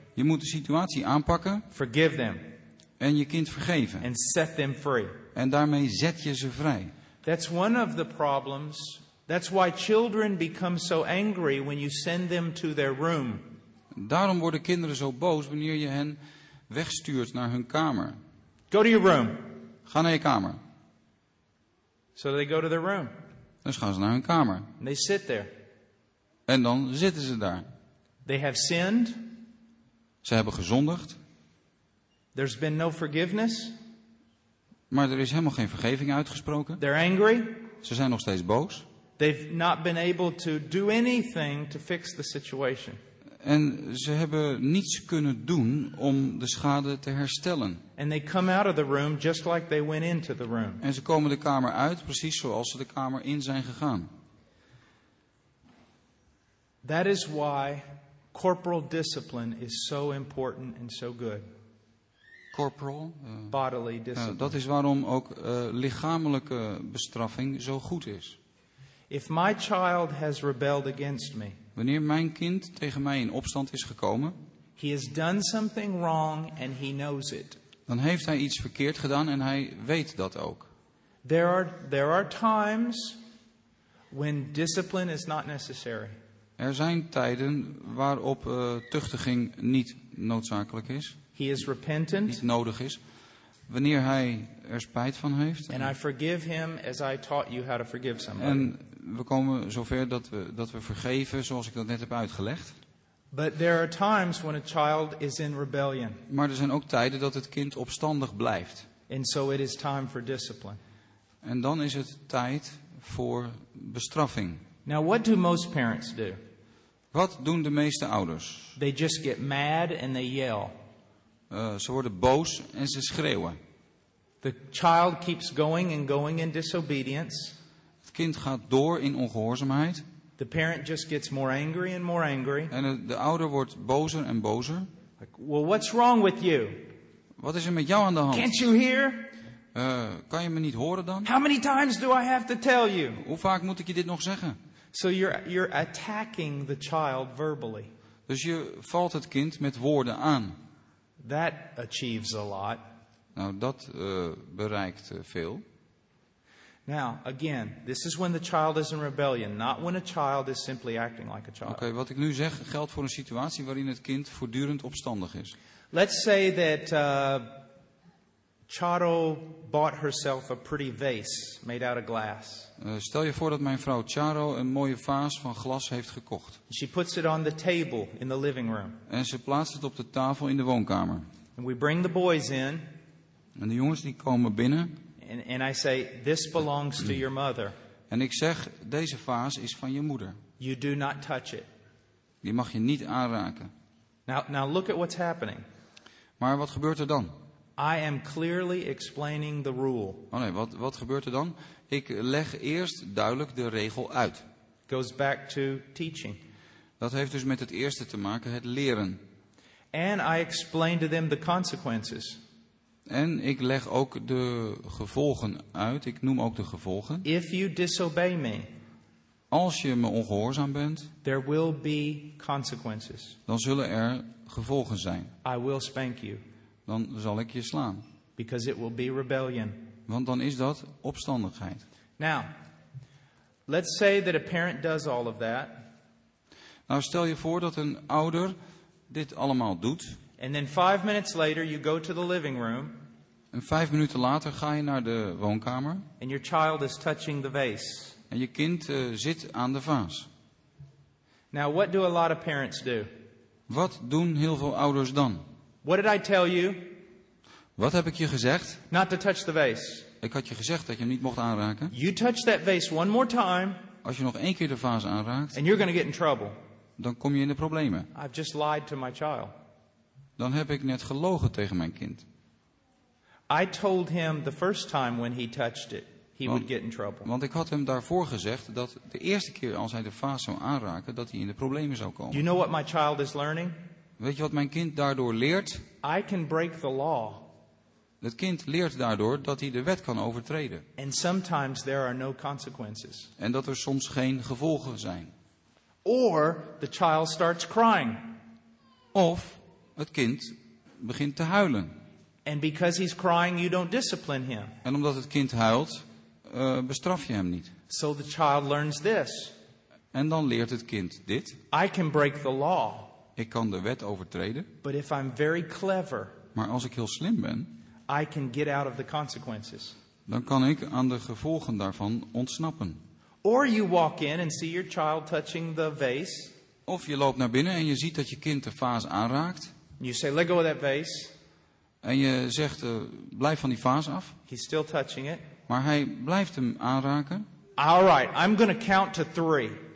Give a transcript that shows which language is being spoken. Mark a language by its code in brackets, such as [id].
[nl] Je moet de situatie aanpakken. [en] Forgive them. [nl] En je kind vergeven. [en] And set them free. [nl] En daarmee zet je ze vrij. [en] That's one of the problems. That's why children become so angry when you send them to their room. [nl] Daarom worden kinderen zo boos wanneer je hen wegstuurt naar hun kamer. [en] Go to your room. [nl] Ga naar je kamer. [en] So they go to their room. [nl] Dus gaan ze naar hun kamer. [en] And they sit there. [nl] En dan zitten ze daar. [en] They have sinned. [nl] Ze hebben gezondigd. [en] There's been no forgiveness. [nl] Maar er is helemaal geen vergeving uitgesproken. [en] They're angry. [nl] Ze zijn nog steeds boos. [en] They've not been able to do anything to fix the situation. [nl] En ze hebben niets kunnen doen om de schade te herstellen. [en] And they come out of the room just like they went into the room. [nl] En ze komen de kamer uit precies zoals ze de kamer in zijn gegaan. [en] That is why corporal discipline is so important and so good. Corporal, bodily discipline. [nl] Dat is waarom ook lichamelijke bestraffing zo goed is. [en] If my child has rebelled against me, [nl] wanneer mijn kind tegen mij in opstand is gekomen, [en] he has done something wrong and he knows it. [nl] Dan heeft hij iets verkeerd gedaan en hij weet dat ook. [en] There are times when discipline is not necessary. [nl] Er zijn tijden waarop tuchtiging niet noodzakelijk is. [en] He is repentant. [nl] Niet nodig is. Wanneer hij er spijt van heeft. [en] And I forgive him as I taught you how to forgive somebody. [nl] En we komen zover dat we vergeven zoals ik dat net heb uitgelegd. [en] But there are times when a child is in rebellion. [nl] Maar er zijn ook tijden dat het kind opstandig blijft. [en] And so it is time for discipline. [nl] En dan is het tijd voor bestraffing. [en] Now what do most parents do? [nl] Wat doen de meeste ouders? [en] They just get mad and they yell. [nl] Ze worden boos en ze schreeuwen. [en] The child keeps going and going in disobedience. [nl] Het kind gaat door in ongehoorzaamheid. [en] The parent just gets more angry and more angry. [nl] En de ouder wordt bozer en bozer. [en] Like, well, what's wrong with you? [nl] Wat is er met jou aan de hand? [en] Can't you hear? [nl] Kan je me niet horen dan? [en] How many times do I have to tell you? [nl] Hoe vaak moet ik je dit nog zeggen? [en] So you're attacking the child verbally. [nl] Dus je valt het kind met woorden aan. [en] That achieves a lot. [nl] Nou, dat bereikt veel. [en] Now, again, this is when the child is in rebellion, not when a child is simply acting like a child. [nl] Oké, wat ik nu zeg geldt voor een situatie waarin het kind voortdurend opstandig is. [en] Let's say that Charo bought herself a pretty vase made out of glass. [nl] Stel je voor dat mijn vrouw Charo een mooie vaas van glas heeft gekocht. [en] She puts it on the table in the living room. [nl] En ze plaatst het op de tafel in de woonkamer. [en] And we bring the boys in. [nl] En de jongens die komen binnen. [en] And I say, this belongs to your mother. [nl] En ik zeg, deze vaas is van je moeder. [en] You do not touch it. [nl] Die mag je niet aanraken. [en] Now look at what's happening. [nl] Maar wat gebeurt er dan? [en] I am clearly explaining the rule. [nl] Oh nee, wat gebeurt er dan? Ik leg eerst duidelijk de regel uit. [en] Goes back to teaching. [nl] Dat heeft dus met het eerste te maken, het leren. [en] And I explain to them the consequences. [nl] En ik leg ook de gevolgen uit. Ik noem ook de gevolgen. [en] If you disobey me, [nl] als je me ongehoorzaam bent, [en] there will be consequences. [nl] Dan zullen er gevolgen zijn. [en] I will spank you. [nl] Dan zal ik je slaan. [en] Because it will be rebellion. [nl] Want dan is dat opstandigheid. [en] Now, let's say that a parent does all of that. [nl] Nou, stel je voor dat een ouder dit allemaal doet. [en] And then 5 minutes later you go to the living room. [nl] En 5 minuten later ga je naar de woonkamer. [en] And your child is touching the vase. [nl] En je kind zit aan de vaas. [en] Now, what do a lot of parents do? [nl] Wat doen heel veel ouders dan? [en] What did I tell you? [nl] Wat heb ik je gezegd? [en] Not to touch the vase. [nl] Ik had je gezegd dat je hem niet mocht aanraken. [en] You touch that vase one more time. [nl] Als je nog één keer de vaas aanraakt. [en] And you're going to get in trouble. [nl] Dan kom je in de problemen. [en] I've just lied to my child. [nl] Dan heb ik net gelogen tegen mijn kind. [en] I told him the first time when he touched it, he would get in trouble. [nl] Want ik had hem daarvoor gezegd dat de eerste keer als hij de vaas zou aanraken, dat hij in de problemen zou komen. [en] You know what my child is learning? [nl] Weet je wat mijn kind daardoor leert? [en] I can break the law. [nl] Het kind leert daardoor dat hij de wet kan overtreden. [en] And sometimes there are no consequences. [nl] En dat er soms geen gevolgen zijn. [en] Or the child starts crying. [nl] Of het kind begint te huilen. [en] And because he's crying, you don't discipline him. [nl] En omdat het kind huilt, bestraf je hem niet. [en] So the child learns this. [nl] En dan leert het kind dit. [en] I can break the law. [nl] Ik kan de wet overtreden. [en] But if I'm very clever, [nl] maar als ik heel slim ben, [en] I can get out of the consequences. [nl] Dan kan ik aan de gevolgen daarvan ontsnappen. [en] Or you walk in and see your child touching the vase. [nl] Of je loopt naar binnen en je ziet dat je kind de vaas aanraakt. [en] You say, let go of that vase. [nl] En je zegt, blijf van die vaas af. [en] He's still touching it. [nl] Maar hij blijft hem aanraken. [en] All right, I'm going to count to three.